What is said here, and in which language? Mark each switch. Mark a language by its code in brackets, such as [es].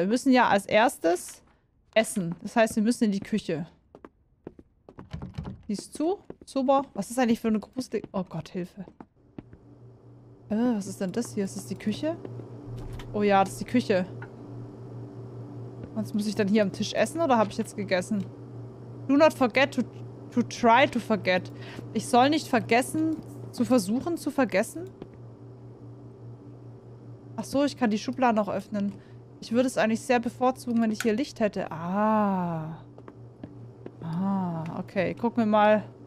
[de] Wir müssen ja als erstes essen. Das heißt, wir müssen in die Küche. Die ist zu. Super. Was ist eigentlich für eine große... Oh Gott, Hilfe. Was ist denn das hier? Ist das die Küche? Oh ja, das ist die Küche. Was muss ich dann hier am Tisch essen oder habe ich jetzt gegessen? [en] Do not forget to try to forget. [de] Ich soll nicht vergessen, zu versuchen zu vergessen? Ach so, ich kann die Schublade noch öffnen. Ich würde es eigentlich sehr bevorzugen, wenn ich hier Licht hätte. Ah. Ah, okay. Gucken wir mal.